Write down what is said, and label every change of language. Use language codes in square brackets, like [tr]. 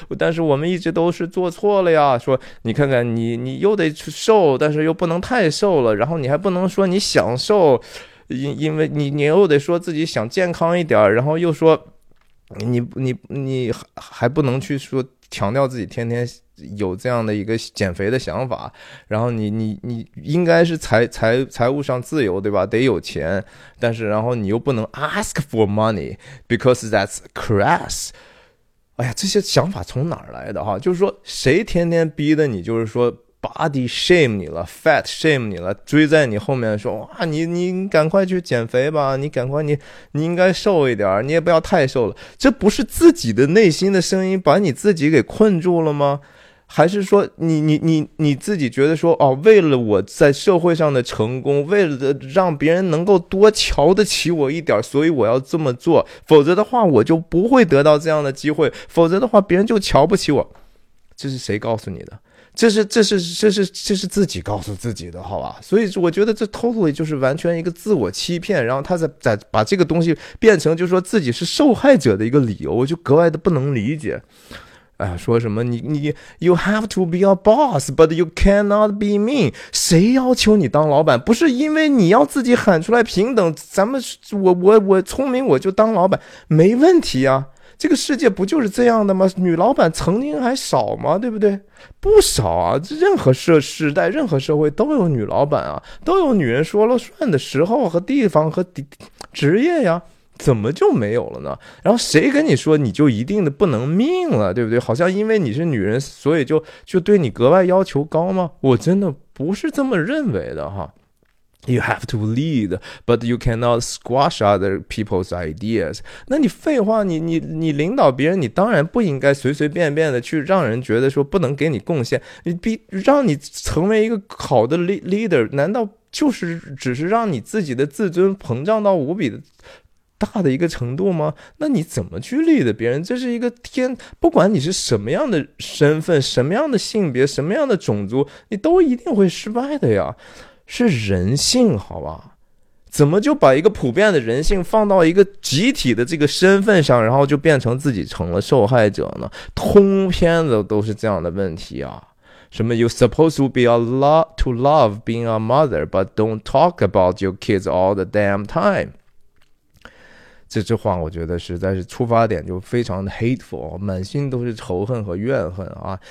[zh] 但是我们一直都是做错了呀。说你看看你又得瘦，但是又不能太瘦了，然后你还不能说你享受。因为你又得说自己想健康一点，然后又说你还不能去说强调自己天天有这样的一个减肥的想法，然后你应该是财务上自由，对吧？得有钱，但是然后你又不能 [en] ask for money because that's crass。 [zh] 哎呀，这些想法从哪儿来的哈？就是说谁天天逼的你，就是说 [en] Body shame [zh] 你了 ， [en] fat shame [zh] 你了，追在你后面说哇，你赶快去减肥吧，你赶快你应该瘦一点，你也不要太瘦了。这不是自己的内心的声音把你自己给困住了吗？还是说你自己觉得说哦，为了我在社会上的成功，为了让别人能够多瞧得起我一点，所以我要这么做，否则的话我就不会得到这样的机会，否则的话别人就瞧不起我。这是谁告诉你的？这是自己告诉自己的，好吧？所以我觉得这 totally 就是完全一个自我欺骗，然后他在把这个东西变成就是说自己是受害者的一个理由，我就格外的不能理解。哎，说什么你 [en] you have to be a boss but you cannot be me， [zh] 谁要求你当老板？不是因为你要自己喊出来平等，咱们我聪明我就当老板，没问题啊。这个世界不就是这样的吗？女老板曾经还少吗？对不对？不少啊，任何时代任何社会都有女老板啊，都有女人说了算的时候和地方和职业呀，怎么就没有了呢？然后谁跟你说你就一定的不能命了，对不对？好像因为你是女人所以就对你格外要求高吗？我真的不是这么认为的哈。 [en] You have to lead, but you cannot squash other people's ideas. [zh] 那你废话，你领导别人，你当然不应该随随便便的去让人觉得说不能给你贡献。让你成为一个好的 leader, 难道就是只是让你自己的自尊膨胀到无比的大的一个程度吗？那你怎么去 lead 别人？这是一个天，不管你是什么样的身份，什么样的性别，什么样的种族，你都一定会失败的呀。是人性，好吧？怎么就把一个普遍的人性放到一个集体的这个身份上，然后就变成自己成了受害者呢？通篇的都是这样的问题啊！什么 [en] ？You supposed to be a lot to love being a mother, but don't talk about your kids all the damn time。 [zh] 这话我觉得实在是出发点就非常的 hateful， 满心都是仇恨和怨恨啊！